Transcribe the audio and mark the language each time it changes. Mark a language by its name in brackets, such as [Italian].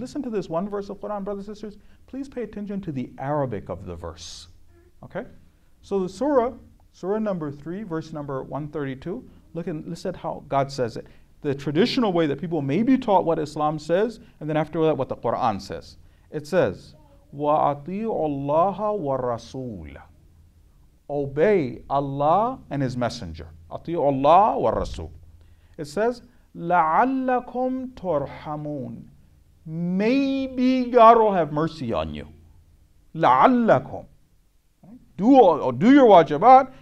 [English] Listen to this one verse of Quran, brothers and sisters. Please pay attention to the Arabic of the verse. Okay? So the surah number 3, verse number 132, Listen at how God says it. The traditional way that people may be taught what Islam says, and then after that, what the Quran says. It says, [Arabic] وَأَطِيعُ اللَّهَ وَالرَّسُولَ. [English] Obey Allah and His Messenger. [Arabic] أَطِيعُ اللَّهَ وَالرَّسُولَ. [English] It says, [Arabic] لَعَلَّكُمْ تُرْحَمُونَ. [English] Maybe God will have mercy on you. [Arabic] لَعَلَّكُمْ. [English] Do your wajibat.